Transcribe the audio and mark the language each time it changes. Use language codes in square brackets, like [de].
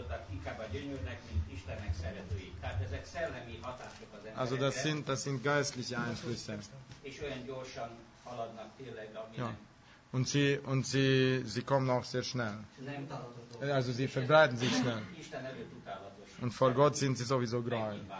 [hu] Inkább a gyönyörnek, mint Istennek szeretői. Tehát ezek szellemi hatások az emberekre. [de] Also das sind, geistliche Einflüsse. [hu] És olyan gyorsan haladnak tényleg, aminek. Ja. [de] Und sie kommen auch sehr schnell. Also sie verbreiten sich schnell. Und vor Gott sind sie sowieso greu.